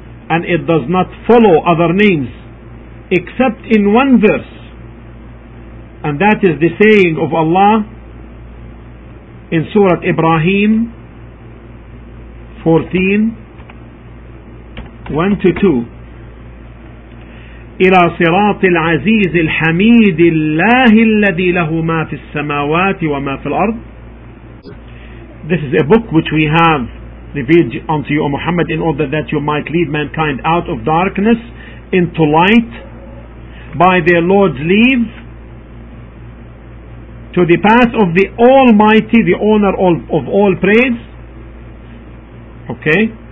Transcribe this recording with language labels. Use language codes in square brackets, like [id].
[en] And it does not follow other names except in one verse, And that is the saying of Allah in Surah Ibrahim 14:1-2. [ar] إلى صراط العزيز الحميد الله الذي له ما في السماوات وما في الأرض. [en] This is a book which we have revealed unto you, O Muhammad, in order that you might lead mankind out of darkness into light by their Lord's leave, to the path of the Almighty, the owner of all praise. Okay.